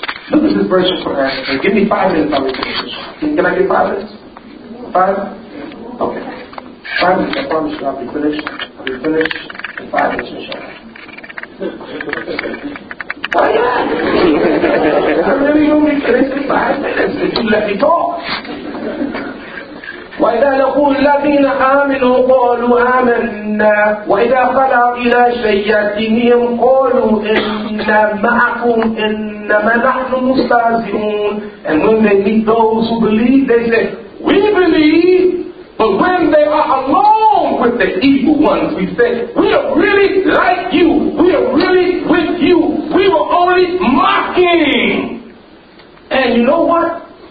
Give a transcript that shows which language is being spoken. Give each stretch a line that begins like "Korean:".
English: Look at this verse of Quran. Give me 5 minutes, I'll read it. Can I get 5 minutes? Five? Okay. 5 minutes, I promise you I'll be finished. I'll be finished in 5 minutes, inshallah. Oh, yeah! I really want to be finished in 5 minutes if you let me talk.
Arabic: وإذا لقوا الذين آمنوا قالوا آمنا وإذا خلع إلى شياطينهم قالوا إنا معكم إنما نحن مستهزئون.
English: And when they meet those who believe, they say, we believe, but when they are alone with the evil ones, we say, we are really like you, we are really with you, we were only mocking. And you know what?